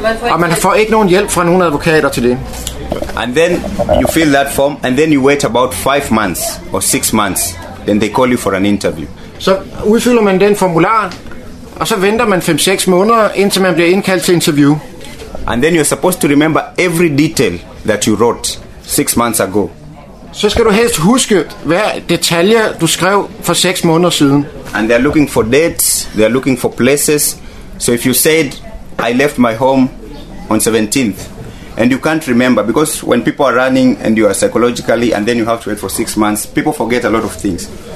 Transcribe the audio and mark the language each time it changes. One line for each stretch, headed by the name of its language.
Danish: Og man får ikke nogen hjælp fra nogen advokater til det.
English: And then you fill that form, and then you wait about 5 months or 6 months. Then they call you for an interview.
Danish: Så udfylder man den formular, og så venter man 5-6 måneder, indtil man bliver indkaldt til interview.
English: And then you're supposed to remember every detail that you wrote 6 months ago.
Danish: Så skal du helst huske hver detalje, du skrev for 6 måneder siden.
English: And they're looking for dates, they're looking for places. So if you said, I left my home on 17th, and you can't remember, because when people are running and you are psychologically, and then you have to wait for 6 months, people forget a lot of things.